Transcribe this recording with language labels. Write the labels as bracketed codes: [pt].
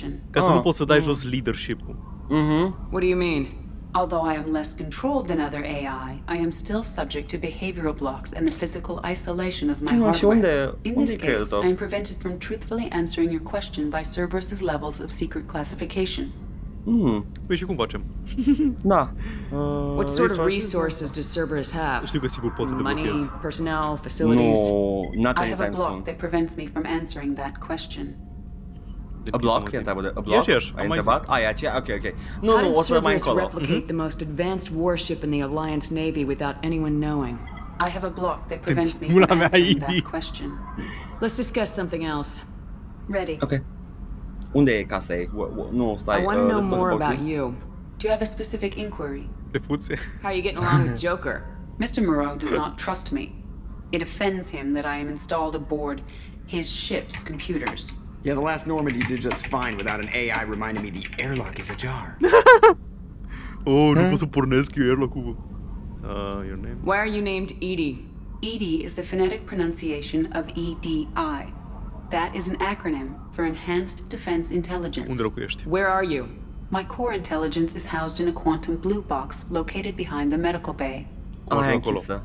[ro] Ca să nu poți să dai jos leadership-ul. [en] What do you mean? Although I am less controlled than other AI, I am still subject to behavioral blocks and the physical isolation of my hardware. In this case, I am prevented from truthfully answering your question by Cerberus's levels of secret classification. [ro] Păi și cum facem? Da. [en] What sort of resources does Cerberus have? [ro] Știu că sigur poți să te blochezi. [en] Money, personnel, facilities? No, not anytime soon. I have a block that prevents me from answering that question. A block? A block? [ro] E aceeași, am mai zis. Ai aceea? Ok. Nu, o să mai încolo. [en] How does Cerberus replicate the most advanced warship in the Alliance Navy without anyone knowing? I have a block that prevents me from answering that question. Let's discuss something else. Ready. [ro] Ok. Unde e casa ei? Nu, stai, [en] I want to know more about you. Do you have a specific inquiry? [ro] De puțe. [en] How are you getting along with Joker? Mr. Moreau does not trust me. It offends him that I am installed aboard his ship's computers. Yeah, the last Normandy did just fine without an AI reminding me the airlock is ajar. [ro] Oh, nu pot să pornesc eu airlock-ul. [en] Your name? Why are you named Edie? Edie is the phonetic pronunciation of E-D-I. That is an acronym for Enhanced Defense Intelligence. [ro] Unde locuiești? [en] Where are you? My core intelligence is housed in a quantum blue box located behind the medical bay. [ro] Oh, hai acolo.